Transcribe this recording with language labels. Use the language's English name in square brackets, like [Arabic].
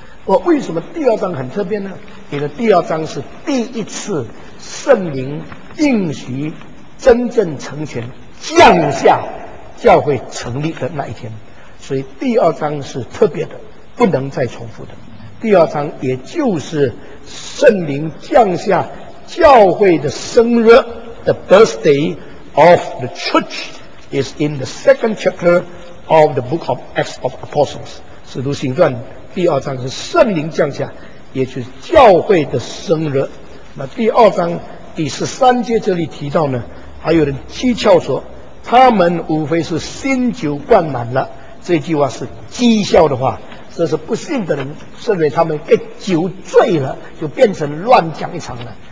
[Chinese] 我为什么第二章很特别呢？因为第二章是第一次圣灵应许真正成全降下教会成立的那一天，所以第二章是特别的，不能再重复的。第二章也就是圣灵降下教会的生日， [English] The birthday of the church is in the second chapter of the book of Acts of Apostles. [Chinese] 使徒行传第二章是圣灵降下，也就是教会的生日。那第二章第13节这里提到呢，还有人讥诮说，他们无非是新酒灌满了，这句话是讥诮的话，这是不信的人认为他们给酒醉了，就变成乱讲一场了。